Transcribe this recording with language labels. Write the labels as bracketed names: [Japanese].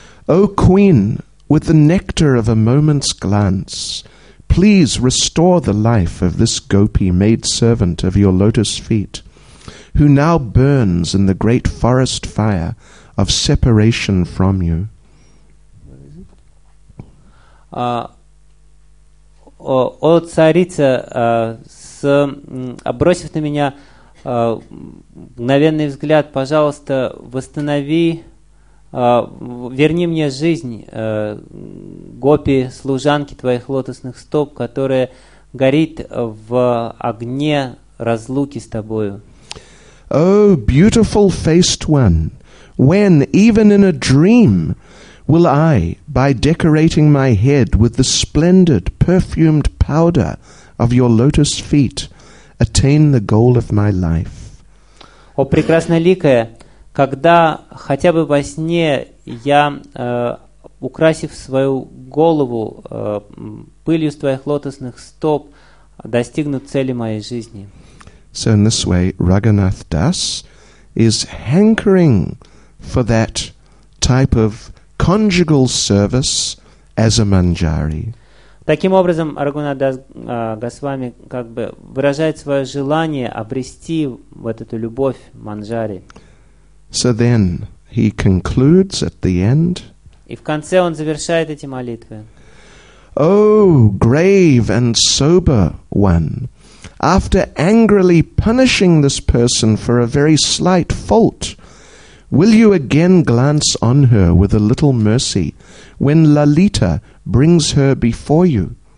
[English] O queen, with the nectar of a moment's glance, please restore the life of this gopi maidservant of your lotus feet, who now burns in the great forest fire of separation from you. [Russian] О царица, обросив на меня мгновенный взгляд, пожалуйста, восстанови, верни мне жизнь гопи, служанки твоих лотосных стоп, которая горит в огне разлуки с тобою. [English] О, beautiful-faced one, when, even in a dream, will I, by decorating my head with the splendid perfumed powder of your lotus feet, attain the goal of my life? [Russian] О прекрасноликая, когда хотя бы во сне я, украсив свою голову пылью с твоих лотосных стоп, достигну цели моей жизни. [English] So in this way, Raghunath Das is hankering for that type of conjugal service as a manjari. [Russian] Таким образом, Рагунат Дас Госвами как бы выражает свое желание обрести вот эту любовь манджари. [English] So then he concludes at the end. [Russian] И в конце он завершает эти молитвы. [English] O grave and sober one, after angrily punishing this person for a very slight fault, will you again glance on her with a little mercy when Lalita brings her before you?